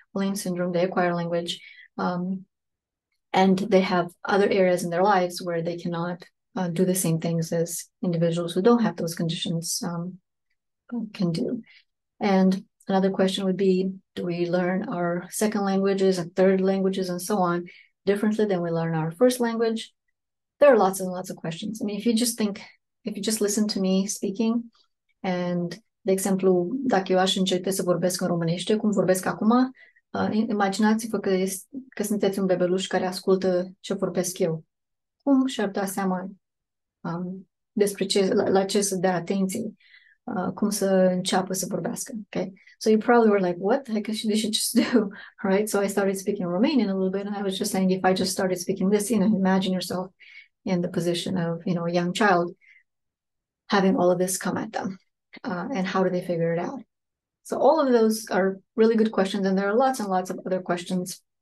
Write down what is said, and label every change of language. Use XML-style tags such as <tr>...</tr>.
<en>Williams syndrome, they acquire language. And they have other areas in their lives where they cannot do the same things as individuals who don't have those conditions can do. And another question would be, do we learn our second languages and third languages and so on differently than we learn our first language? There are lots and lots of questions. I mean, if you just listen to me speaking, and</en> <ro>de exemplu, dacă eu aș începe să vorbesc în românește, cum vorbesc acum, imaginați-vă că sunteți un bebeluș care ascultă ce vorbesc eu. Cum și-ar da seama despre ce, la ce să dea atenție, cum să înceapă să vorbească?</ro> <en>Okay? So you probably were like, what the heck should you just do? Right? So I started speaking Romanian a little bit, and I was just saying, if I just started speaking this, imagine yourself in the position of, a young child having all of this come at them. And how do they figure it out? So all of those are really good questions, and there are lots and lots of other questions.</en>